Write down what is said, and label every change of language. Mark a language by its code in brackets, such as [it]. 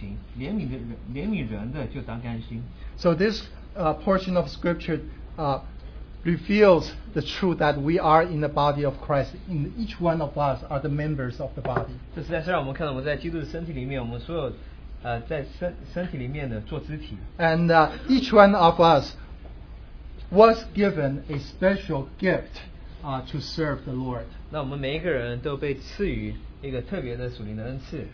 [zh] 或做执事就当专心，就当专一执事；或做教导的就当专一教导；或做劝化的就当专一劝化；施舍的就当诚实，治理的就当殷勤，怜悯的人的就当甘心。 [en] So this portion of scripture reveals the truth that we are in the body of Christ. In each one of us are the members of the body. [zh] 这实在是让我们看到我们在基督的身体里面，我们所有在身体里面的做肢体。 [en] And each one of us was given a special gift to serve the Lord. [zh] 那我们每一个人都被赐予一个特别的属灵的恩赐。